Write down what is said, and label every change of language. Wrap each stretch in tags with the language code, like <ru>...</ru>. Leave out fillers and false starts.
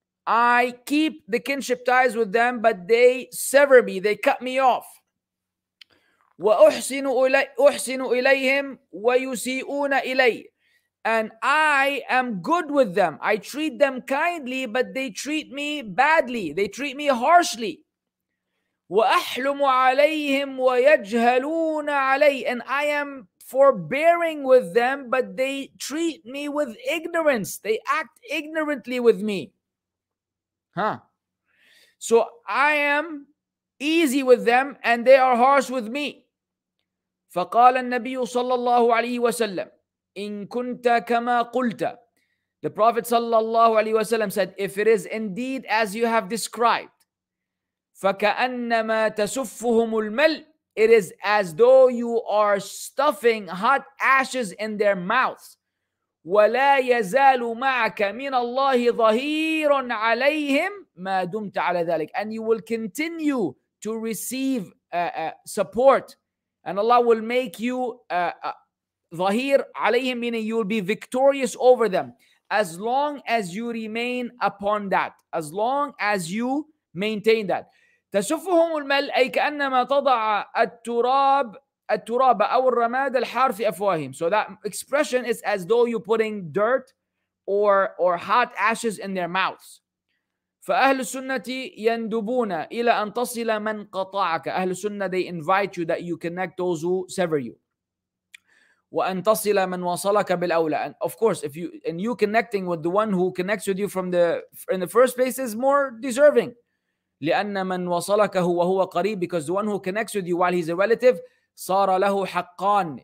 <en>I keep the kinship ties with them, but they sever me. They cut me off.</en> <ar>وأحسن إليهم ويسيئون إلي.</ar> <en>And I am good with them. I treat them kindly, but they treat me badly. They treat me harshly.</en> <ar>وأحلم عليهم ويجهلون علي.</ar> <en>And I am forbearing with them, but they treat me with ignorance. They act ignorantly with me. Huh. So I am easy with them and they are harsh with me.</en> <ar>فقال النبي صلى الله عليه وسلم إن كنت كما قلت.</ar> <en>The Prophet صلى الله عليه وسلم said, if it is indeed as you have described,</en> <ar>فكأنما تسفهم الملء,</ar> <en>it is as though you are stuffing hot ashes in their mouths.</en> <ar>ولا يزال معك من الله ظهير عليهم ما دمت على ذلك.</ar> <en>And you will continue to receive support, and Allah will make you</en> <ar>ظهير عليهم,</ar> <en>meaning you will be victorious over them as long as you remain upon that, as long as you maintain that.</en> <ar>تسفهم المل أي كأنما تضع التراب التراب أو الرماد الحار في أفواههم.</ar> <en>So that expression is as though you're putting dirt or hot ashes in their mouths.</en> <ar>فأهل السنة يندبون إلى أن تصل من قطعك.</ar> <en>أهل السنة, they invite you that you connect those who sever you.</en> <ar>وأن تصل من وصلك بالأولى.</ar> <en>And of course, if you connecting with the one who connects with you in the first place is more deserving.</en> <ar>لأن من وصلك هو هو قريب.</ar> <en>Because the one who connects with you while he's a relative,</en> <ar>صار له حقان.</ar>